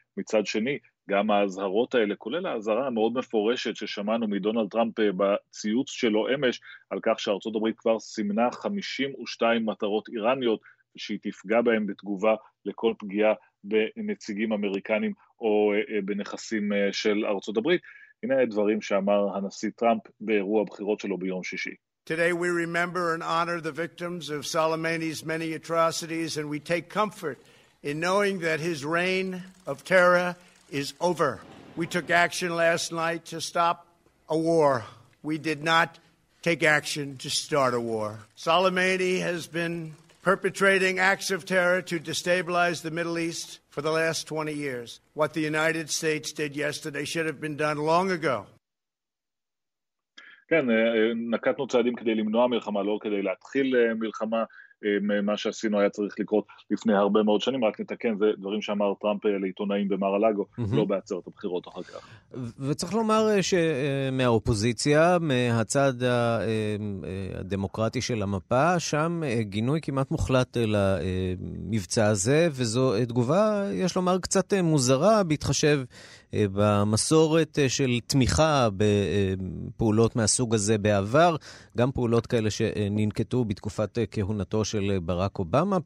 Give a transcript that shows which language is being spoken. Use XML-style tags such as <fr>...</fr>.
<he>מצד שני, גם ההזהרות האלה, כולל ההזהרה המאוד מפורשת ששמענו מדונלד טראמפ בציוץ שלו אמש, על כך שארצות הברית כבר סימנה 52 מטרות איראניות, שהיא תפגע בהם בתגובה לכל פגיעה בנציגים אמריקנים או בנכסים של ארצות הברית. הנה הדברים שאמר הנשיא טראמפ באירוע הבחירות שלו ביום שישי.</he> <en>Today we remember and honor the victims of Soleimani's many atrocities, and we take comfort in knowing that his reign of terror is over. We took action last night to stop a war. We did not take action to start a war. Soleimani has been perpetrating acts of terror to destabilize the Middle East for the last 20 years. What the United States did yesterday should have been done long ago.</en> <he>כן, נקטנו צעדים כדי למנוע מלחמה, לא כדי להתחיל מלחמה. מה שעשינו היה צריך לקרות לפני הרבה מאוד שנים, רק נתקן, זה דברים שאמר טראמפ לעיתונאים במאר-א-לאגו, לא בעצרת הבחירות אחר כך. וצריך לומר שמהאופוזיציה, מהצד הדמוקרטי של המפה, שם גינוי כמעט מוחלט למבצע הזה, וזו תגובה, יש לומר, קצת מוזרה, בהתחשב במסורת של תמיכה בפעולות מהסוג הזה בעבר, גם פעולות כאלה שננקטו בתקופת כהונתו של ברק אובמה.</he>